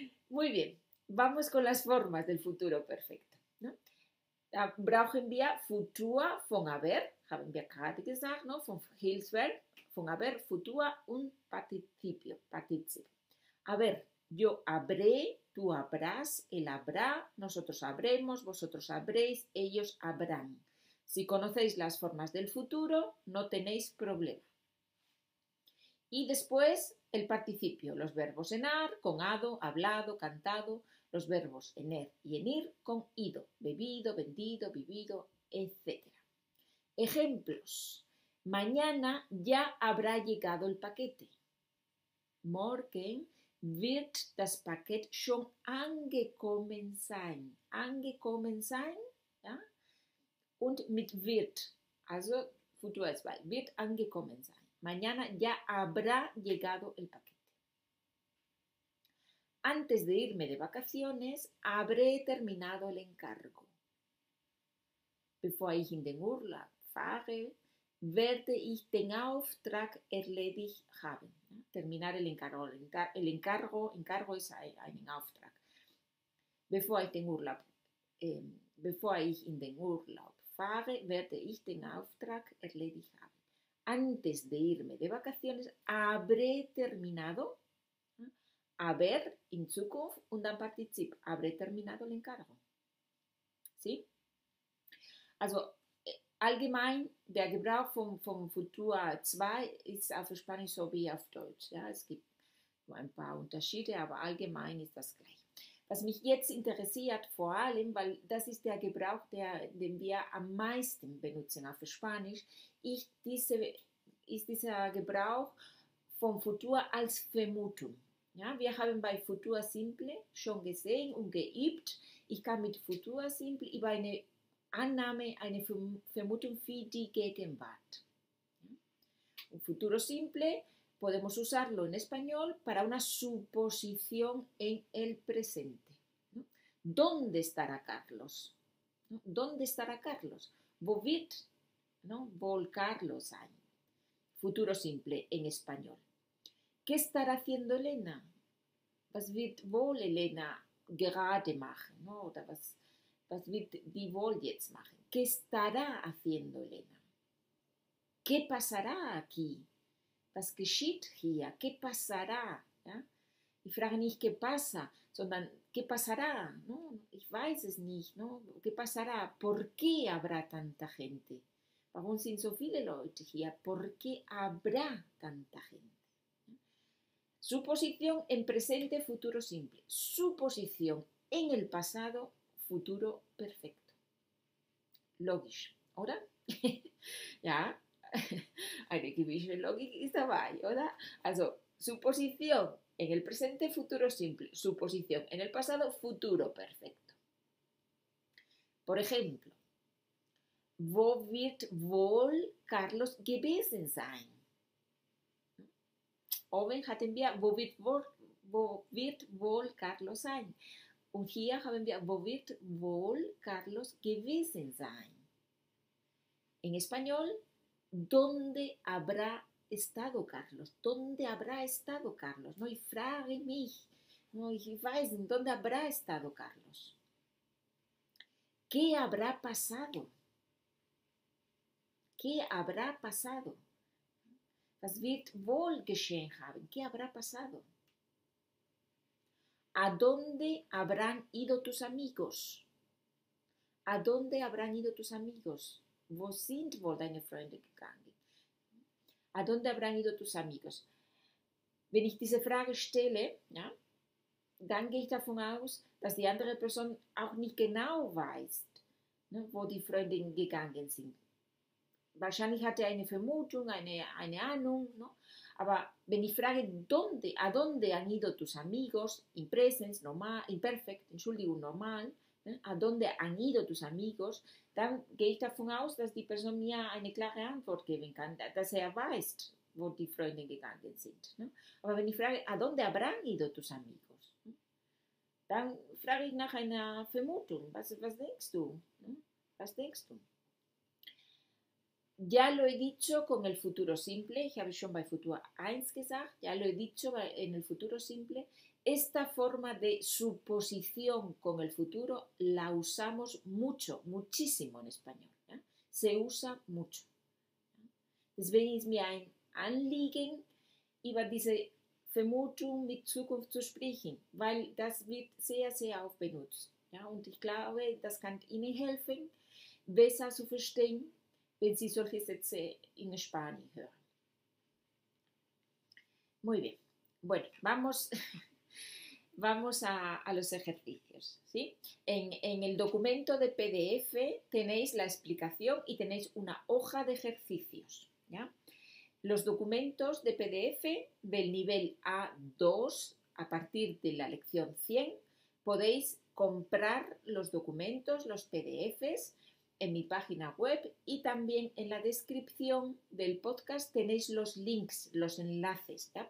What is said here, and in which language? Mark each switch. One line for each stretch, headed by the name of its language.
Spanish: Muy bien, vamos con las formas del futuro perfecto.
German: Ja. Da brauchen wir Futur von haber, haben wir gerade gesagt, no, von Hilfsverb, von haber, Futur und Participio, Partizip.
Spanish: Haber, yo habré. Tú habrás, él habrá, nosotros habremos, vosotros habréis, ellos habrán. Si conocéis las formas del futuro, no tenéis problema. Y después, el participio, los verbos en ar, con ado, hablado, cantado, los verbos en er y en ir, con ido, bebido, vendido, vivido, etc. Ejemplos. Mañana ya habrá llegado el paquete.
German: Morgen wird das Paket schon angekommen sein. Angekommen sein, ja? Und mit wird, also Futur 2, wird angekommen sein.
Spanish: Mañana ya habrá llegado el paquete. Antes de irme de vacaciones, habré terminado el encargo.
German: Bevor ich in den Urlaub fahre, werde ich den Auftrag erledigt haben.
Spanish: Terminar el encargo. El encargo
German: es einen Auftrag. Bevor ich in den Urlaub fahre, werde ich den Auftrag erledigt haben.
Spanish: Antes de irme de vacaciones, habré terminado.
German: Haber in Zukunft und dann Partizip.
Spanish: Habré terminado el encargo. ¿Sí?
German: Also, allgemein, der Gebrauch vom Futur 2 ist auf Spanisch so wie auf Deutsch. Ja, es gibt nur ein paar Unterschiede, aber allgemein ist das gleich. Was mich jetzt interessiert, vor allem, weil das ist der Gebrauch, den wir am meisten benutzen auf Spanisch, ist dieser Gebrauch vom Futur als Vermutung. Ja, wir haben bei Futur Simple schon gesehen und geübt, ich kann mit Futur Simple über eine Annahme, eine Vermutung für die Gegenwart.
Spanish: Un futuro simple, podemos usarlo en español para una suposición en el presente. ¿Dónde estará Carlos? ¿Dónde estará Carlos?
German: Wo wird, ¿no? Wo Carlos sein?
Spanish: Futuro simple en español. ¿Qué estará haciendo Elena?
German: Was wird wohl Elena gerade machen? ¿No? Oder was wird die wohl jetzt machen?
Spanish: ¿Qué estará haciendo Elena? ¿Qué pasará aquí?
German: Was geschieht hier?
Spanish: ¿Qué pasará? ¿Ja?
German: Ich frage nicht,
Spanish: ¿qué pasa? Sondern, ¿qué pasará? ¿No?
German: Ich weiß es nicht.
Spanish: ¿No? ¿Qué pasará? ¿Por qué habrá tanta gente?
German: Warum sind so viele Leute hier?
Spanish: ¿Por qué habrá tanta gente? Suposición en presente, futuro simple. Suposición en el pasado, futuro perfecto.
German: Logisch, oder? Ja, eine gewisse Logik ist dabei, oder?
Spanish: Also, suposición en el presente, futuro simple. Suposición en el pasado, futuro perfecto. Por ejemplo,
German: wo wird wohl Carlos gewesen sein? Oben hatten wir, wo wird wohl Carlos sein? Und hier haben wir, wo wird wohl Carlos gewesen sein?
Spanish: En español, ¿dónde habrá estado Carlos? ¿Dónde habrá estado Carlos?
German: No, ich frage mich, no, ich weiß,
Spanish: ¿dónde habrá estado Carlos? ¿Qué habrá pasado? ¿Qué habrá pasado?
German: Was wird wohl geschehen haben?
Spanish: ¿Qué habrá pasado? ¿A dónde habrán ido tus amigos? ¿A dónde habrán ido tus amigos?
German: ¿Wo sind wohl deine Freunde gegangen?
Spanish: ¿A dónde habrán ido tus amigos?
German: Wenn ich diese Frage stelle, ja, dann gehe ich davon aus, dass die andere Person auch nicht genau weiß, ne, wo die Freunde gegangen sind. Wahrscheinlich hat er eine Vermutung, eine Ahnung, no? Aber wenn ich frage,
Spanish: dónde, a dónde han ido tus amigos,
German: in presens, normal, in perfect, Entschuldigung, normal, ne?
Spanish: A dónde han ido tus amigos,
German: dann gehe ich davon aus, dass die Person mir eine klare Antwort geben kann, dass er weiß, wo die Freunde gegangen sind. No? Aber wenn ich frage,
Spanish: a dónde habrán ido tus amigos,
German: no? Dann frage ich nach einer Vermutung, was denkst du, no? Was denkst du?
Spanish: Ya lo he dicho con el futuro simple,
German: ich habe schon bei Futur 1 gesagt,
Spanish: ya lo he dicho en el futuro simple, esta forma de suposición con el futuro la usamos mucho, muchísimo en español, ¿ya? Se usa mucho.
German: Deswegen ist mir ein Anliegen, über diese Vermutung mit Zukunft zu sprechen, weil das wird sehr, sehr oft benutzt. ¿Ya? Und ich glaube, das kann Ihnen helfen, besser zu verstehen, wenn Sie solche Sätze in Spanien hören.
Spanish: Muy bien. Bueno, vamos a los ejercicios. ¿Sí? En el documento de PDF tenéis la explicación y tenéis una hoja de ejercicios. ¿Ya? Los documentos de PDF del nivel A2, a partir de la lección 100, podéis comprar los documentos, los PDFs, en mi página web y también en la descripción del podcast tenéis los links, los enlaces, ¿ya?